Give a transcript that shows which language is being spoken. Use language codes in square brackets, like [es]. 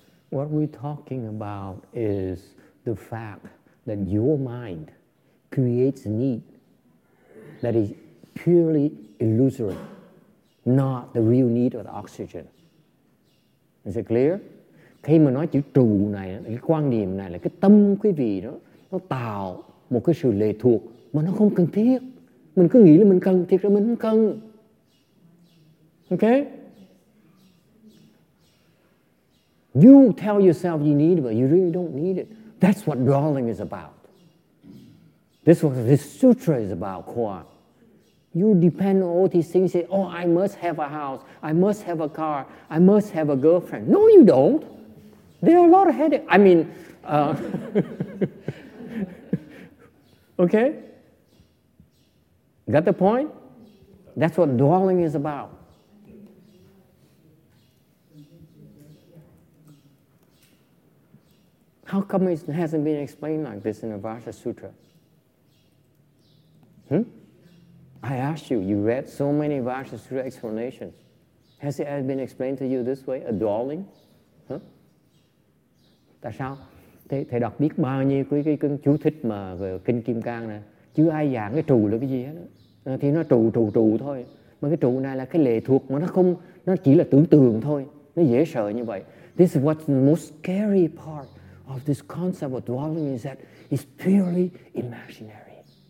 [en] What we're talking about is the fact that your mind creates a need that is purely illusory, not the real need of the oxygen. Is it clear? [vi] Khi mà nói chữ trụ này, cái quan niệm này là cái tâm quý vị đó, nó tạo một cái sự lệ thuộc mà nó không cần thiết. Mình cứ nghĩ là mình cần, thiệt ra mình không cần. [en] Okay? You tell yourself you need it, but you really don't need it. That's what dwelling is about. This is what this sutra is about, Kwa. You depend on all these things. Say, oh, I must have a house. I must have a car. I must have a girlfriend. No, you don't. There are a lot of headaches. I mean, okay? Got the point? That's what dwelling is about. How come it hasn't been explained like this in the Vajra Sutra? I asked you, you read so many Vajra Sutra explanations. Has it ever been explained to you this way, a dwelling? [vi] Tại sao? Thầy đọc biết bao nhiêu cái chú thích mà về Kinh Kim Cang nè. Chứ ai giảng cái trụ là cái gì hết đó. Thì nó trụ thôi. Mà cái trụ này là cái lệ thuộc mà nó không, nó chỉ là tưởng tượng thôi. Nó dễ sợ như vậy. [en] This is what's the most scary part of this concept of dwelling is that it's purely imaginary.